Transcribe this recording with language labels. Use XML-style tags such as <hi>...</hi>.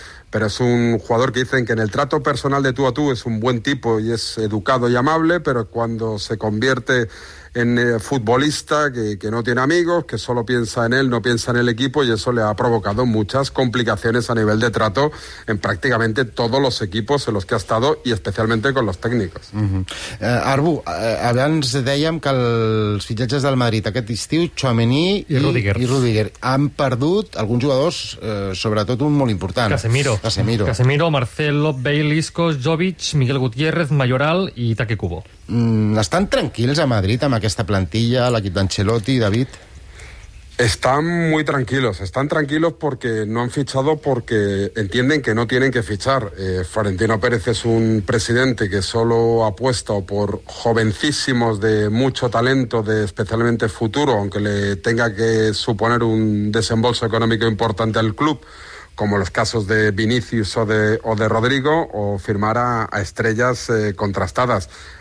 <es>pero es un jugador que dicen que en el trato personal de tú a tú es un buen tipo y es educado y amable, pero cuando se convierte en futbolista que no tiene amigos, que solo piensa en él, no piensa en el equipo, y eso le ha provocado muchas complicaciones a nivel de trato en prácticamente todos los equipos en los que ha estado y especialmente con los técnicos. Uh-huh.</es> <ca>Arbu, abans dèiem que els fitxatges del Madrid aquest estiu, Tchouaméni i Rüdiger, han perdut alguns jugadors, sobretot un molt important. Casemiro, Marcelo, Bale, Isco, Jovic, Miguel Gutiérrez, Mayoral i Take Kubo.</ca> <es>¿Están tranquilos</es> <ca>a Madrid amb aquesta plantilla, l'equip d'Ancelotti, David?</ca> <es>Están muy tranquilos. Están tranquilos porque no han fichado porque entienden que no tienen que fichar. Florentino Pérez es un presidente que solo apuesta por jovencísimos de mucho talento, de especialmente futuro, aunque le tenga que suponer un desembolso económico importante al club, como los casos de Vinicius o de Rodrigo, o firmar a estrellas contrastadas.</es>